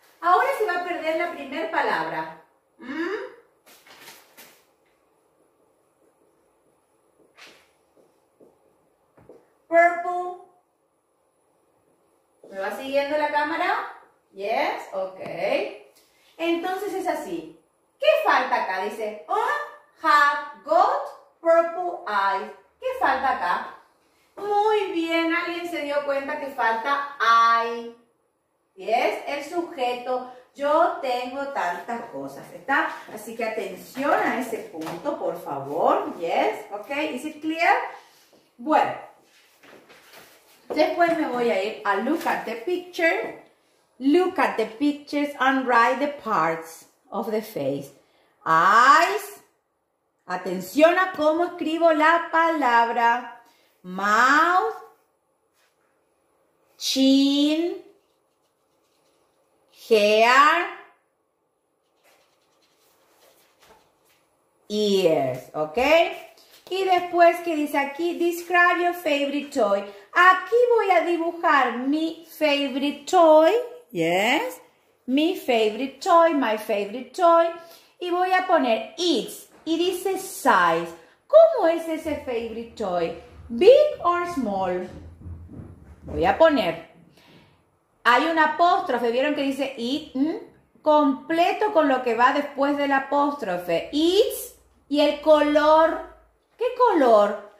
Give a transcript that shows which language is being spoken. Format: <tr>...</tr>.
<es>Ahora se va a perder la primera palabra.</es> <en>purple.</en> <es>¿Me va siguiendo la cámara? Yes, okay. Entonces es así. ¿Qué falta acá? Dice,</es> <en>I have got purple eyes.</en> <es>¿Qué falta acá? Muy bien, alguien se dio cuenta que falta I. Yes, el sujeto. Yo tengo tantas cosas, ¿está? Así que atención a ese punto, por favor.</es> <en>Yes, okay, is it clear?</en> <es>Bueno, después me voy a ir a</es> <en>look at the picture. Look at the pictures and write the parts of the face. Eyes.</en> <es>Atención a cómo escribo la palabra.</es> <en>Mouth. Chin. Hair.</en> <es>Ears. ¿Ok? Y después, ¿qué dice aquí?</es> <en>Describe your favorite toy.</en> <es>Aquí voy a dibujar mi favorite toy.</es> <en>Yes, my favorite toy, my favorite toy.</en> <es>Y voy a poner its, y dice size. ¿Cómo es ese favorite toy?</es> <en>Big or small?</en> <es>Voy a poner. Hay un apóstrofe, ¿vieron que dice it? Completo con lo que va después del apóstrofe. Its, y el color. ¿Qué color?</es>